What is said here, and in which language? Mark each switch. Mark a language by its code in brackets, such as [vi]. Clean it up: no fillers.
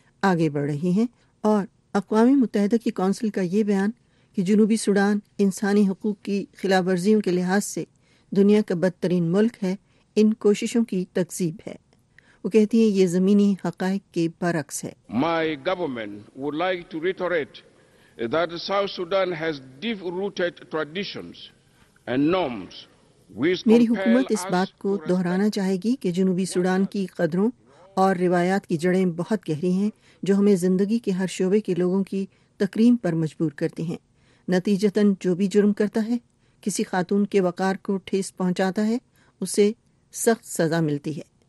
[ur] آگے بڑھ رہی ہیں، اور اقوام متحدہ کی کونسل کا یہ بیان کہ جنوبی سوڈان انسانی حقوق کی خلاف ورزیوں کے لحاظ سے دنیا کا بدترین ملک ہے، ان کوششوں کی تکذیب ہے۔ وہ کہتی ہیں یہ زمینی حقائق کے برعکس ہے۔ [en] My government would like to reiterate that South Sudan has deep-rooted traditions and norms. [ur] میری حکومت اس بات کو دہرانا چاہے گی کہ جنوبی سوڈان کی قدروں اور روایات کی جڑیں بہت گہری ہیں، جو ہمیں زندگی کے ہر شعبے کے لوگوں کی تکریم پر مجبور کرتی ہیں۔ نتیجتاً جو بھی جرم کرتا ہے، کسی خاتون کے وقار کو ٹھیس پہنچاتا ہے، اسے سخت سزا ملتی ہے۔